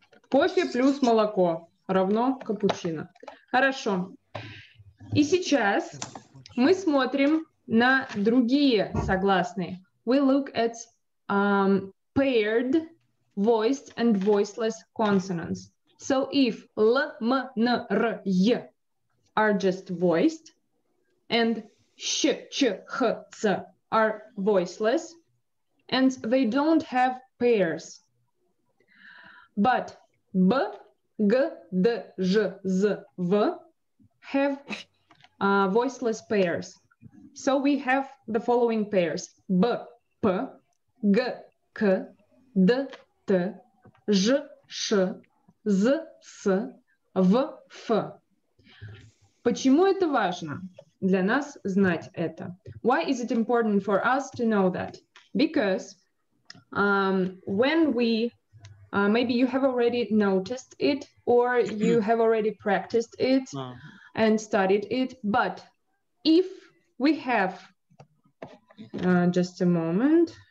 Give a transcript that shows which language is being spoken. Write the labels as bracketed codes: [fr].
[ru] Кофе плюс молоко равно капучино. Хорошо. И сейчас мы смотрим на другие согласные. [en] We look at paired voiced and voiceless consonants. So if L, M, N, R, Y are just voiced and Sh, Ch, H, C are voiceless and they don't have pairs. But B, G, D, Z, Z, V have voiceless pairs. So we have the following pairs. B, P, G, K, D, T, Ž, Š, Z, S, V, F. [ru] Почему это важно для нас знать это? [en] Why is it important for us to know that? Because when we, maybe you have already noticed it or you have already practiced it and studied it, but if we have just a moment.